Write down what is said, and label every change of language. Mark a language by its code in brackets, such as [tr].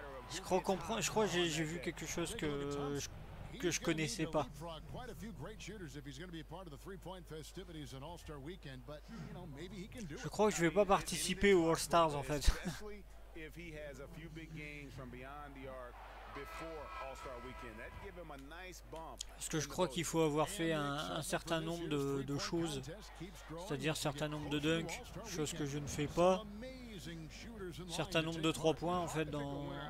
[fr] Je crois j'ai vu quelque chose que je connaissais pas. [en] Quite a few great shooters if he's going to be a part of the 3-point festivities on All-Star weekend, but you know, maybe he can do it. [fr] Je crois que je vais pas participer aux All-Stars en fait. [en] If he has a few big games from beyond the arc before All-Star weekend, that'd give him a nice bump. [fr] Parce que je crois qu'il faut avoir fait un certain nombre de choses, c'est-à-dire certain nombre de dunks, chose que je ne fais pas, certain nombre de 3 points en fait dans.